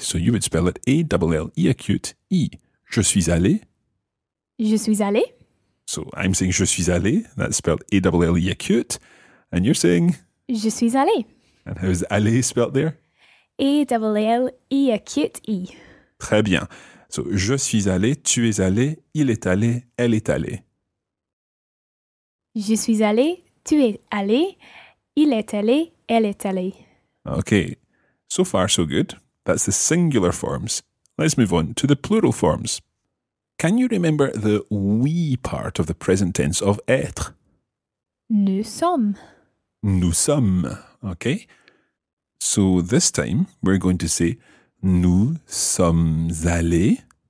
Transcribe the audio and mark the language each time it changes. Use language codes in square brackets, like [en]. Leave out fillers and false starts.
[en] So you would spell it A-L-L-E acute E. [fr] Je suis allé. Je suis allé. [en] So I'm saying [fr] je suis allé. [en] That's spelled A-L-L-E acute. And you're saying? [fr] Je suis allé. [en] And how's aller spelled there? A-L-L-E acute E. [fr] Très bien. So je suis allé, tu es allé, il est allé, elle est allée. Je suis allé, tu es allé, il est allé, elle est allée. [en] Okay, so far so good. That's the singular forms. Let's move on to the plural forms. Can you remember the we part of the present tense of être? [fr] Nous sommes. Nous sommes, [en] okay. So this time we're going to say [fr] nous sommes allés.